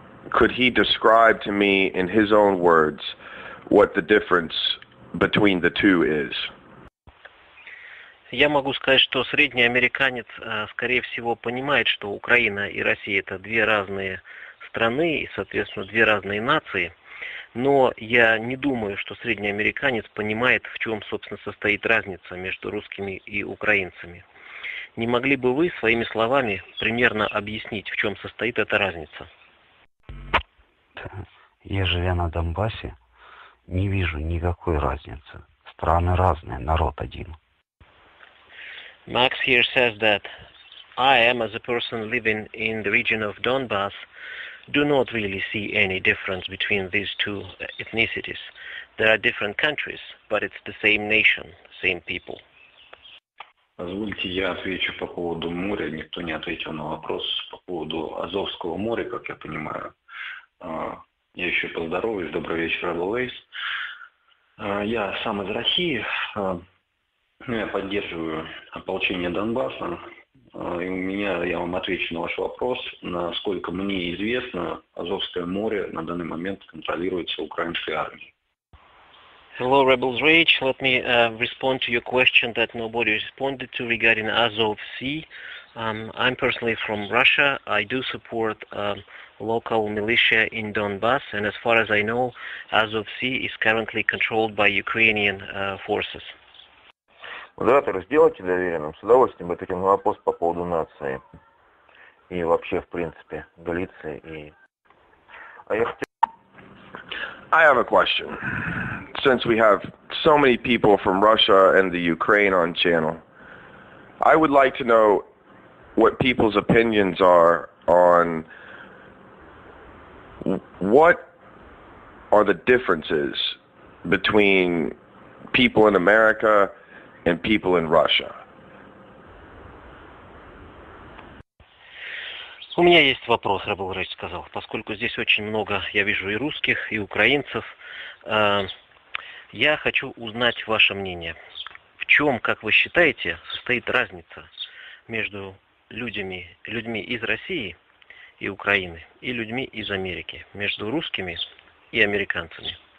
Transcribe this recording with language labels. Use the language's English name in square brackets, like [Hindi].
[English] Could he describe to me in his own words what the difference between the two is. [Russian] Я могу сказать, что средний американец, скорее всего, понимает, что Украина и Россия – это две разные страны и, соответственно, две разные нации. Но я не думаю, что средний американец понимает, в чем, собственно, состоит разница между русскими и украинцами. Не могли бы вы своими словами примерно объяснить, в чем состоит эта разница? Я, живя на Донбассе, не вижу никакой разницы. Страны разные, народ один. [English] Max here says that I am, as a person living in the region of Donbass, do not really see any difference between these two ethnicities. There are different countries, but it's the same nation, same people. [Russian] Позвольте, я отвечу по поводу моря. Никто не ответил на вопрос по поводу Азовского моря, как я понимаю. Я еще поздороваюсь. Добрый вечер, Rebel Ace. Я сам из России. Ну, я поддерживаю ополчение Донбасса, и у меня, я вам отвечу на ваш вопрос, насколько мне известно, Азовское море на данный момент контролируется украинской армией. [English] Hello, Rebels Rage. Let me respond to your question that nobody responded to regarding Azov Sea. I'm personally from Russia. I do support local militia in Donbass, and as far as I know, Azov Sea is currently controlled by Ukrainian forces. [Russian] Модератор, сделайте доверенным, с удовольствием ответим на вопрос по поводу нации и вообще, в принципе, Галиции и... А я хотел... [English] I have a question. Since we have so many people from Russia and the Ukraine on channel, I would like to know what people's opinions are on what are the differences between people in America and people in Russia. [Russian] У меня есть вопрос, Рабул Рейч сказал, поскольку здесь очень много, я вижу, и русских, и украинцев. Я хочу узнать ваше мнение. В чем, как вы считаете, состоит разница между людьми из России и Украины и людьми из Америки, между русскими и американцами?